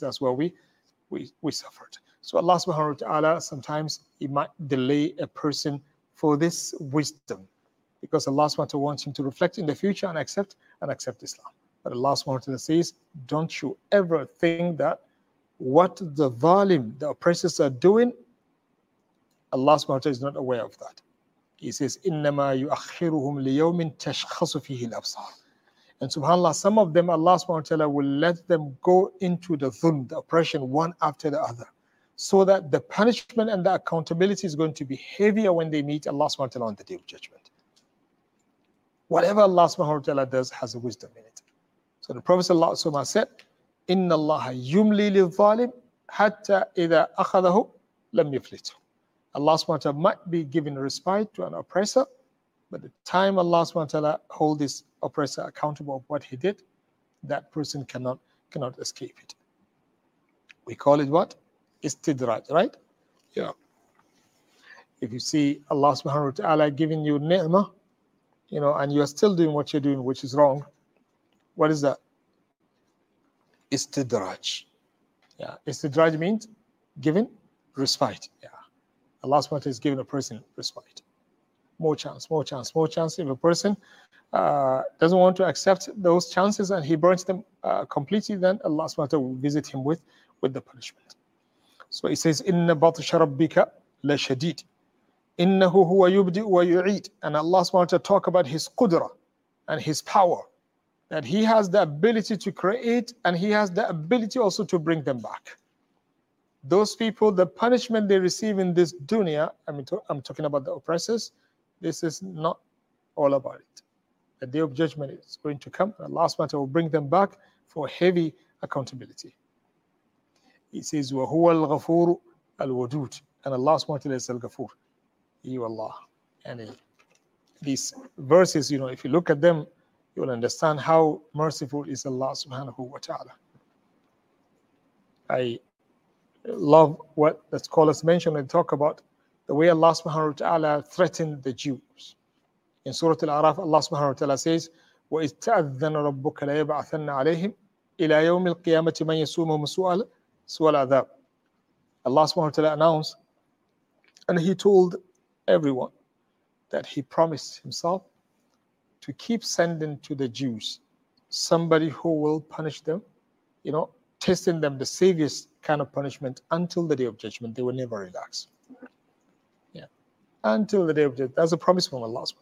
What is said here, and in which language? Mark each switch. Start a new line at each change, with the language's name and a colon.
English: That's where we suffered. So Allah subhanahu wa ta'ala, sometimes he might delay a person for this wisdom, because Allah subhanahu wa ta'ala wants him to reflect in the future and accept Islam. But Allah subhanahu wa ta'ala says, don't you ever think that what the zalim, the oppressors are doing, Allah subhanahu wa ta'ala is not aware of that. He says,
Arabic: إِنَّمَا يُؤَخِّرُهُمْ لِيَوْمٍ تَشْخَصُ فِيهِ الْأَبْصَارِ.
English: And subhanAllah, some of them, Allah subhanahu wa ta'ala will let them go into the dhulm, the oppression, one after the other, so that the punishment and the accountability is going to be heavier when they meet Allah subhanahu wa ta'ala on the day of judgment. Whatever Allah subhanahu wa ta'ala does has a wisdom in it. So the Prophet subhanahu wa ta'ala said,
Arabic: إِنَّ اللَّهَ يُمْلِي لِلظَّالِمِ حَتَّى إِذَا أَخَذَهُ لَمْ يَفْلِتُهُ.
English: Allah subhanahu wa ta'ala might be giving respite to an oppressor, but the time Allah subhanahu wa ta'ala holds this oppressor accountable of what he did, that person cannot escape it. We call it what? Istidraj, right? Yeah. If you see Allah subhanahu wa ta'ala giving you ni'mah, you know, and you are still doing what you're doing, which is wrong, what is that? Istidraj. Yeah. Istidraj means giving respite. Yeah. Allah subhanahu wa ta'ala is giving a person respite. More chance. If a person doesn't want to accept those chances and he burns them completely, then Allah subhanahu wa ta'ala will visit him with the punishment. So he says,
Arabic: إِنَّ بَطْشَ رَبِّكَ لَشَدِيدٍ إِنَّهُ هُوَ يُبْدِئُ وَيُعِيدٍ.
English: And Allah subhanahu wa ta'ala talk about his qudra and his power, that he has the ability to create and he has the ability also to bring them back. Those people, the punishment they receive in this dunya, I'm talking about the oppressors, this is not all about it. The day of judgment is going to come, and Allah subhanahu wa ta'ala will bring them back for heavy accountability. He says,
Arabic: وَهُوَ الْغَفُورُ الْوَدُودُ.
English: And Allah subhanahu wa ta'ala is al-ghafoor. Ya Allah. And these verses, you know, if you look at them, you'll understand how merciful is Allah subhanahu wa ta'ala. I love what the scholars mention and talk about the way Allah subhanahu wa ta'ala threatened the Jews. In Surah Al-Araf, Allah subhanahu wa ta'ala says,
Arabic: وَإِذْ تَأَذَّنَ رَبُّكَ لَيَبْعَثَنَّ عَلَيْهِمْ إِلَىٰ يَوْمِ الْقِيَامَةِ مَنْ يَسُومُهُمْ سُوَى الْعَذَابِ.
English: Allah subhanahu wa ta'ala announced, and he told everyone that he promised himself to keep sending to the Jews somebody who will punish them, you know, testing them, the saviors kind of punishment, until the day of judgment. They will never relax. Yeah. Until the day of judgment. That's a promise from Allah.